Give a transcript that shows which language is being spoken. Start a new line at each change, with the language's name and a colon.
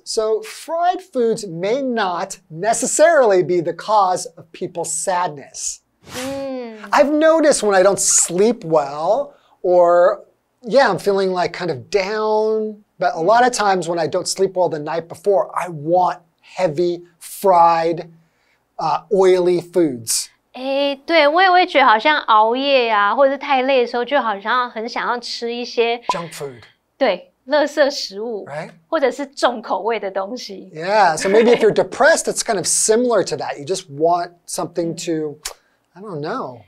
English: So fried foods may not necessarily be the cause of people's sadness. I've noticed when I don't sleep well, or yeah, I'm feeling like kind of down, but a lot of times when I don't sleep well the night before, I want heavy, fried, oily foods.
Chinese: 诶，对，我也会觉得好像熬夜啊，或者是太累的时候，就好像很想要吃一些
English: junk food，
Chinese: 对，垃圾食物
English: ，right，
Chinese: 或者是重口味的东西。
English: Yeah， so maybe if you're depressed， it's kind of similar to that. You just want something to， I don't know。